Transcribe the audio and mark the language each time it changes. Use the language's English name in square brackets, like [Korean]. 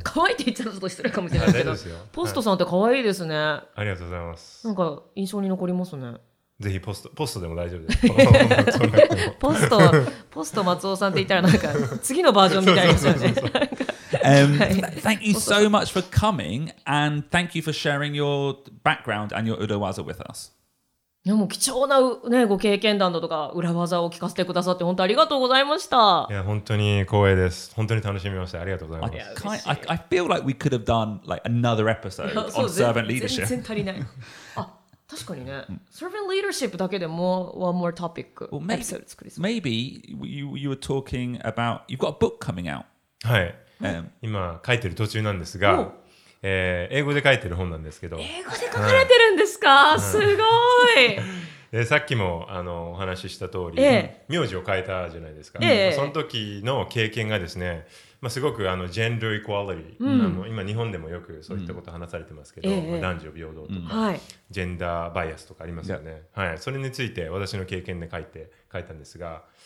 [Japanese] かわいいって言っちゃうと失礼かもしれないけど。 Post-san ってかわいいですね。ありがとうございます。なんか印象に残りますね。ぜひポストでも大丈夫です。ポスト Matsuo さんって言ったらなんか次のバージョンみたいですよね。 [English] Thank you so much for coming and thank you for sharing your background and your urawaza with us. [Japanese] でも貴重な、ね、ご経験談だとか裏技を聞かせてくださって本当ありがとうございました。いや本当に光栄です。本当に楽しみました。ありがとうございます。 [English] I feel like we could have done like another episode on servant leadership. [Japanese] 全然足りない。あ、確かにね。Servant leadership だけでも [English] one more topic episode [Japanese] 作りそう。 [English] Maybe you were talking about, you've got a book coming out. [Japanese] はい、今書いてる途中なんですが、英語で書いてる本なんですけど。英語で書かれてるんですか、うん、すごい。でさっきもあのお話しした通り、名字を変えたじゃないですか、その時の経験がですね、まあ、すごくあのジェンダーイクワリティ、うん、あの今日本でもよくそういったこと話されてますけど、男女平等とか、ジェンダーバイアスとかありますよね、はい、それについて私の経験で書いたんですが、